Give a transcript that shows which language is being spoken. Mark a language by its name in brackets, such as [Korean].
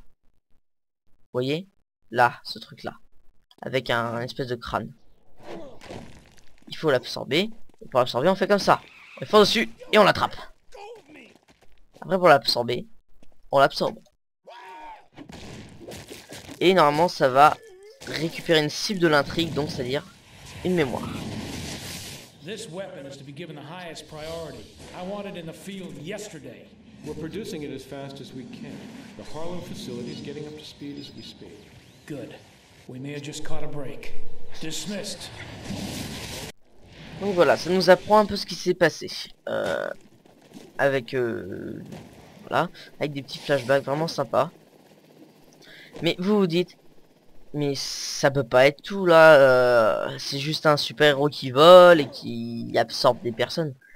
[French] Vous voyez? Là, ce truc-là. Avec un espèce de crâne. Il faut l'absorber. Pour l'absorber, on fait comme ça. On fonce dessus et on l'attrape. Après, pour l'absorber, on l'absorbe. Et normalement, ça va récupérer une cible de l'intrigue, donc c'est-à-dire une mémoire. [English] This weapon is to be given the highest priority. I want it in the field yesterday. We're producing it as fast as we can. The Harlem facility is getting up to speed as we speak. Good. We may have just caught a break. Dismissed. [French] Donc voilà, ça nous apprend un peu ce qui s'est passé. Avec voilà, avec des petits flashbacks vraiment sympas. Mais vous vous dites, mais ça peut pas être tout là, c'est juste un super-héros qui vole et qui absorbe des personnes.